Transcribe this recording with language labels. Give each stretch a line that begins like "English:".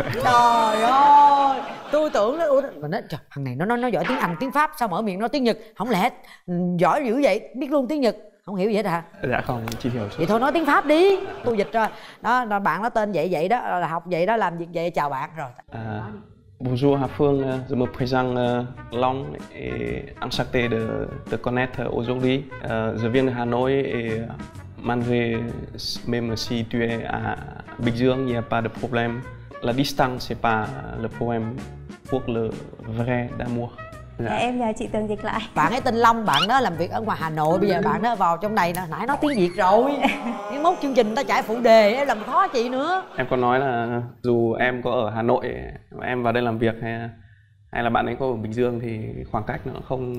Vietnamese: Trời ơi. Tôi tưởng nó thằng này nó giỏi tiếng Anh, tiếng Pháp, sao mở miệng nó tiếng Nhật? Không lẽ giỏi dữ vậy, biết luôn tiếng Nhật. Không hiểu gì hết hả? Dạ không, chỉ hiểu vậy thôi, nói tiếng Pháp đi. Tôi dịch rồi. Đó, là bạn nó tên vậy vậy đó, là học vậy đó, làm việc vậy, chào bạn rồi.
French: Bonjour Hà Phương, je me présente Long et enchanté de te connaître aujourd'hui. Je viens de Hà Nội et malgré même si tu es à Bình Dương, il n'y a pas de problème. La distance c'est pas le problème pour le vrai d'amour.
Vietnamese: Dạ. Em nhờ chị Tường dịch lại. Bạn ấy tên Long, bạn đó làm việc ở ngoài Hà Nội. Bây giờ bạn đó vào trong này nè, nãy nói tiếng Việt rồi. Cái mốt chương trình ta chạy phụ đề em làm khó chị nữa. Em có nói là dù em có ở Hà Nội em vào đây làm việc hay là bạn ấy có ở Bình Dương thì khoảng cách nó không